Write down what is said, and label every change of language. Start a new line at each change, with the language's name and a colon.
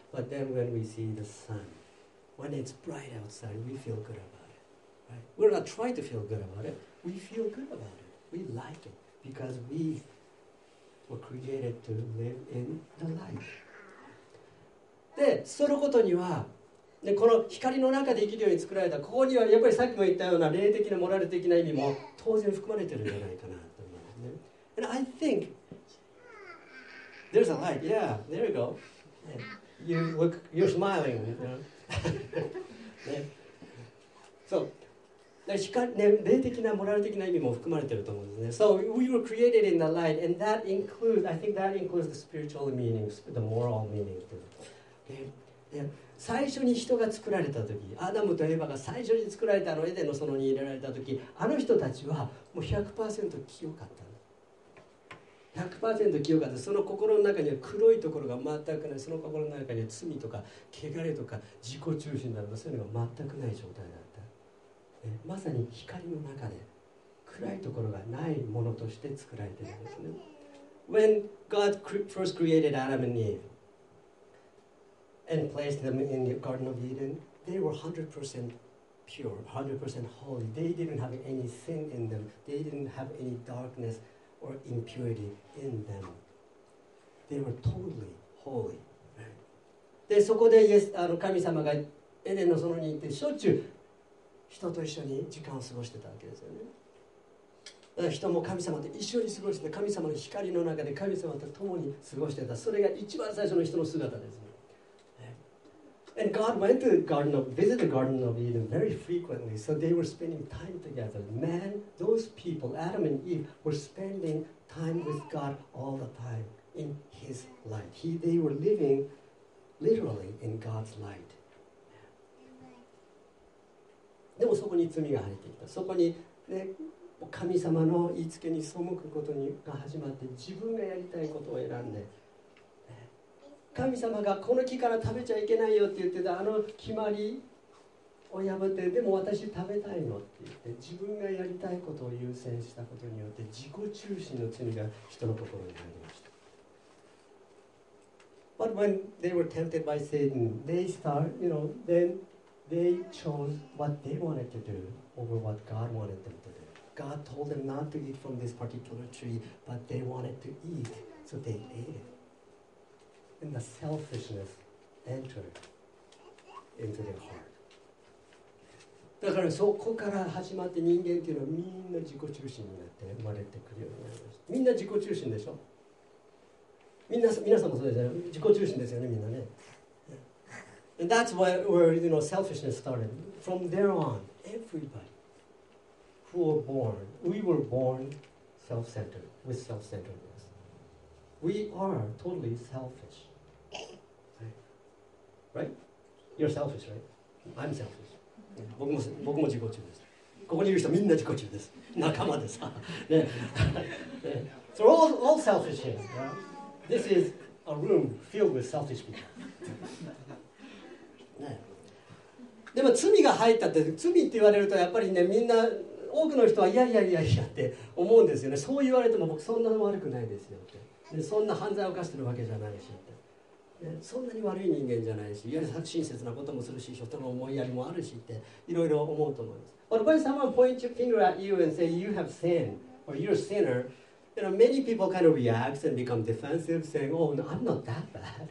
English: But then when we see the sun, when it's bright outside, we feel good about it. Right? We're not trying to feel good about it. We feel good about it. We like it because we were created to live in the light.
Japanese: で、そのことには、で、この光の中で生きるように作られた、ここにはやっぱりさっきも言ったような霊的なモラル的な意味も当然含まれてるんじゃないかなと思いますね。
English: And I think there's a light. Yeah, there you go. You look, you're smiling. You know?
Japanese: ね、そう。で、光ね、霊的なモラル的な意味も含まれてると思うんですね。
English: So we were created in the light, and that includes, I think that includes the spiritual meaning, the moral meaning too.
Japanese: で最初に人が作られた時、アダムとエヴァが最初に作られたあのエデンの園に入れられた時、あの人たちはもう 100% 清かった。 100% 清かった。その心の中には黒いところが全くない。その心の中には罪とか汚れとか自己中心などそういうのが全くない状態だった。まさに光の中で暗いところがないものとして作られているんですね。
English: When God first created Adam and EveAnd placed them in the Garden of Eden. They were 100% pure, 100% holy. They didn't have any sin in them. They didn't have any darkness or impurity in them. They were totally holy.
Japanese: で、そこでイエス、あの神様がエデンの園に行ってしょっちゅう人と一緒に時間を過ごしてたわけですよね。人も神様と一緒に過ごして、神様の光の中で神様と共に過ごしてた。それが一番最初の人の姿ですね。
English: And God went to the garden of, visit the Garden of Eden very frequently, so they were spending time together. Man, those people, Adam and Eve, were spending time with God all the time in His light. They were living literally in God's light.
Japanese: でもそこに罪が入ってきた。そこに、ね、神様の言いつけに背くことが始まって、自分がやりたいことを選んで、神様がこの木から食べちゃいけないよって言ってたあの決まりを破って、でも私食べたいのって言って、自分がやりたいことを優先したことによって自己中心の罪が人の心に入りました。
English: But when they were tempted by Satan, they start, you know, then they chose what they wanted to do over what God wanted them to do. God told them not to eat from this particular tree, but they wanted to eat, so they ate it. And the selfishness entered into their heart.
Japanese: だからそこから始まって人間っていうのはみんな自己中心になって生まれてくるようになりました。みんな自己中心でしょ。皆さんもそうですよね。自己中心ですよね、みんなね。
English: And that's where you know, selfishness started. From there on, everybody who were born, we were born self-centered, with self-centeredness. We are totally selfish. Right? You're selfish, right? I'm selfish.
Japanese: 僕も自己中です。ここにいる人みんな自己中です。仲間です。ね。
English: So all selfish here. Right? This is a room filled with selfish people.
Japanese: ね。でも罪が入ったって、罪って言われるとやっぱりね、みんな多くの人はいやいやいやいやって思うんですよね。そう言われても僕そんなの悪くないですよって。で、そんな犯罪を犯してるわけじゃないし。そんなに悪い人間じゃないし、いわゆる親切なこともするし、人の思いやりもあるしっていろいろ思うと思います。
English: But when someone points your finger at you and say you have sin or you're a sinner, you know, many people kind of react and become defensive, saying, "Oh, no, I'm not that bad.